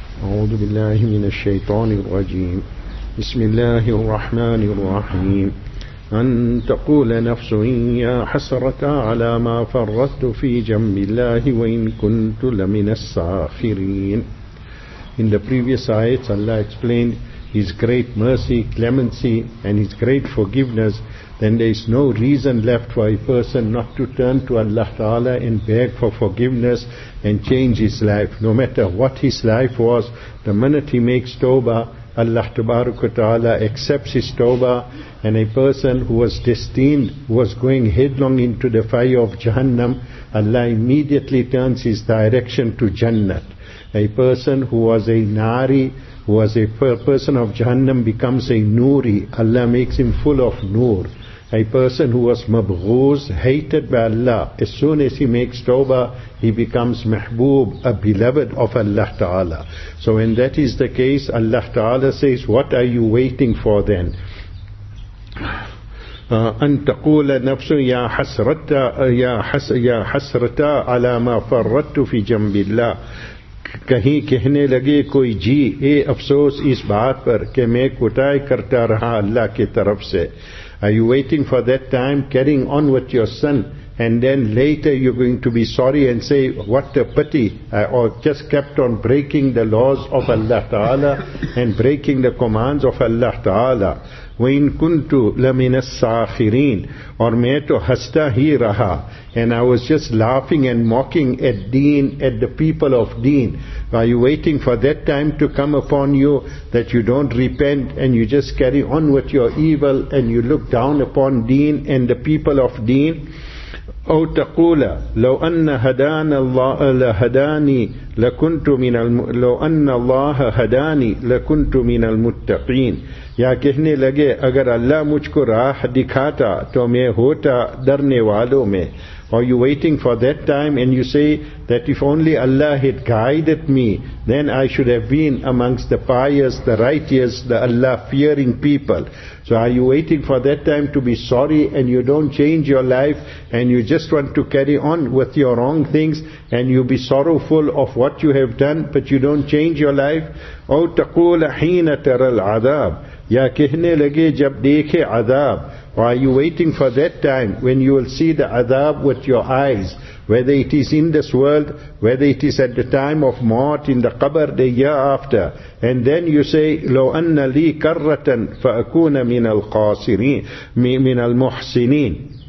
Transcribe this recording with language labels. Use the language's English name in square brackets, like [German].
[Arabic] أعوذ بالله من الشيطان الرجيم. بسم الله الرحمن الرحيم. أن تقول نفس يا حسرة على ما فرطت في جنب الله وإن كنت لمن الساخرين. [English] In the previous ayats, Allah explained His great mercy, clemency, and His great forgiveness. Then there is no reason left for a person not to turn to Allah Ta'ala and beg for forgiveness and change his life. No matter what his life was, the minute he makes tawbah, Allah Ta'ala accepts his tawbah, and a person who was destined, who was going headlong into the fire of Jahannam, Allah immediately turns his direction to Jannat. A person who was a Nari, who was a person of Jahannam, becomes a Nuri. Allah makes him full of Nur. A person who was Mabghuz, hated by Allah, as soon as he makes Tawbah, he becomes Mahbub, a beloved of Allah Ta'ala. So when that is the case, Allah Ta'ala says, what are you waiting for then? [Arabic] أن تقول نفس يا حسرتا يا حس يا حسرتا على ما فرطت في جنب الله. [Urdu] کہیں کہنے لگے کوئی جی اے افسوس اس بات پر کہ میں کوتاہی کرتا رہا اللہ کی طرف سے. [English] Are you waiting for that time, carrying on with your son, and then later you're going to be sorry and say, what a pity, I just kept on breaking the laws of Allah Ta'ala and breaking the commands of Allah Ta'ala. [Arabic] وَإِن كُنْتُ لَمِنَ السَّاخِرِينَ. [Urdu] اور میں تو ہستا ہی رہا. [English] And I was just laughing and mocking at deen, at the people of deen. Are you waiting for that time to come upon you that you don't repent and you just carry on with your evil and you look down upon deen and the people of deen? [Arabic] أو تقول لو أن هدانا الله لهداني لكنت من لو أن الله هداني لكنت من المتقين. [Urdu] یا کہنے لگے اگر اللہ مجھ کو راہ دکھاتا تو میں ہوتا ڈرنے والوں میں. [English] Or you waiting for that time and you say that if only Allah had guided me, then I should have been amongst the pious, the righteous, the Allah-fearing people. So are you waiting for that time to be sorry and you don't change your life and you just want to carry on with your wrong things and you be sorrowful of what you have done but you don't change your life? [Arabic] أو تقول حين ترى العذاب. [Urdu] یا کہنے لگے جب دیکھے عذاب. [English] Or are you waiting for that time when you will see the adab with your eyes, whether it is in this world, whether it is at the time of maut in the qabr, the year after, and then you say, [Arabic] لو أن لي كرة فأكون من القاصرين من المحسنين.